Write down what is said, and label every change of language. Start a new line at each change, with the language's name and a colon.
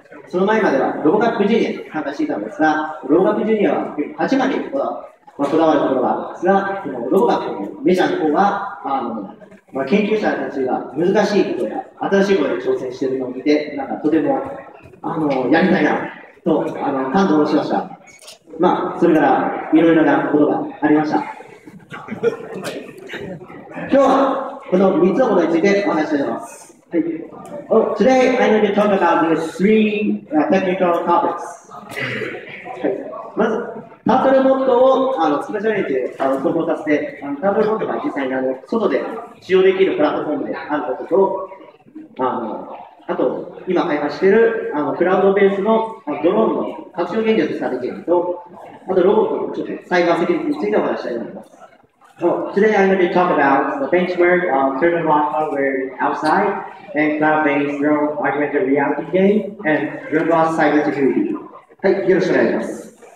Japanese: その前まではロボカップジュニアに参加していたんですが、ロボカップジュニアは8までこだわるところがあるんですが、このロボカップのメジャーの方は研究者たちが難しいことや新しいことに挑戦しているのを見て、とてもやりたいなと感動しました。それからいろいろなことがありました。今日はこの3つのことについてお話しします。はい。
English: Oh, today I'm going to talk about these three technical topics.
Japanese: まず、タートルモッドをスペシャリティで投稿させて、タートルモッドが実際に外で使用できるプラットフォームであることと、あと、今開発しているクラウドベースのドローンの活用現状とされていると、あとロボットのちょっとサイバーセキュリティについてお話したいと思います。
English: So today I'm going to talk about the benchmark of TurtleBot hardware outside and cloud-based drone augmented reality game and robot cybersecurity.
Japanese: はい、よろしくお願いします。